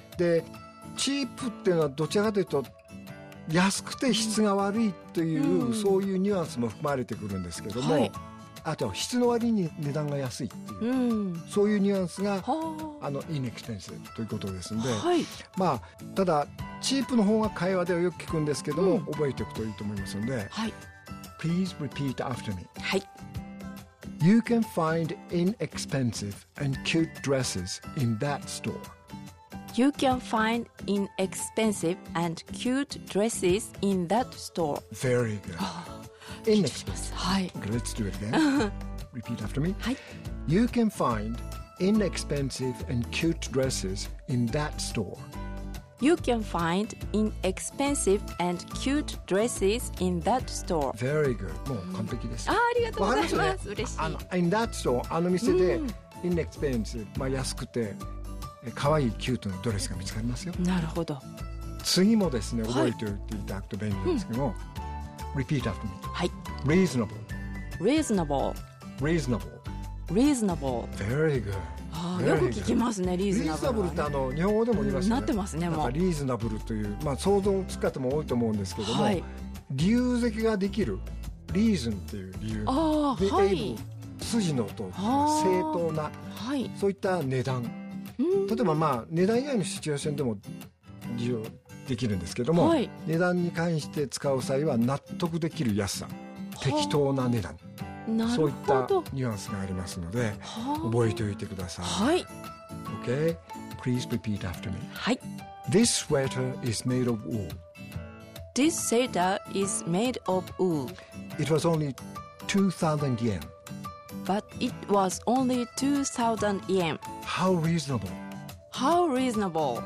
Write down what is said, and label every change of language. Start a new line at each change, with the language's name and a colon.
Japanese: で、チープっていうのはどちらかというと安くて質が悪いという、うん、そういうニュアンスも含まれてくるんですけども、はい、あと質の割に値段が安いっていう、うん、そういうニュアンスがあのインエクステンシブということですので、はい、まあ、ただチープの方が会話ではよく聞くんですけども、うん、覚えておくといいと思いますので、はい、
English: Please repeat after me、
Japanese: はい、
English: You can find inexpensive and cute dresses in that store. You can find inexpensive and cute dresses in that store. Very good. Inexpensive.
Japanese: はい。
English: Okay, let's do it again. Repeat after me.
Japanese: はい。
English: You can find inexpensive and cute dresses in that store. You can find inexpensive and cute dresses in that store. Very good.
Japanese: もう完璧です。うん、あ、ありがとうございます。まあ、嬉しい。あの、
English: in that store、
Japanese: あの店で、うん、inexpensive、まあ、安くて、可愛いキュートなドレスが見つかりますよ。なるほど。次もですね、覚えておいていただくと便利ですけども、はい、うん、
English: Repeat after me.
Japanese: はい。
English: Reasonable. Reasonable. Reasonable. Reasonable. Very good.
Japanese: あ、よく聞きますね、リーズナブル、ね、リーズナブルってあの日本語でも言いますよね、なってますね、もうリーズナブルという、まあ、想像をつく方も多いと思うんですけども、はい、理由付けができる、リーズンっていう理由、あ、はい、筋の通り正当な、はい、そういった値段、例えば、まあ、値段以外のシチュエーションでも利用できるんですけども、はい、値段に関して使う際は納得できる安さ、適当な値段、そういったニュアンスがありますので、はあ、覚えておいてください。はい、
English: OK、 Please repeat after me、
Japanese: はい、
English: This sweater is made of wool. This sweater is made of wool. It was only 2,000 yen. But it was only 2,000 yen. How reasonable. How reasonable.